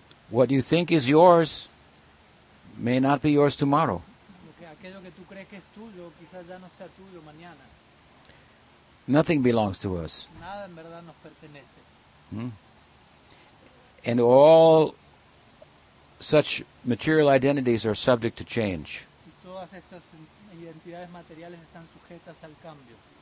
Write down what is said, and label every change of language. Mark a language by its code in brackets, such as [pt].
[en] What you think is yours may not be yours tomorrow. [es] Aquello que tú crees que es tuyo, quizás ya no sea tuyo mañana. [en] Nothing belongs to us. [es] Nada en verdad nos pertenece. [en] And all such material identities are subject to change. [es] Y todas estas identidades materiales están sujetas al cambio.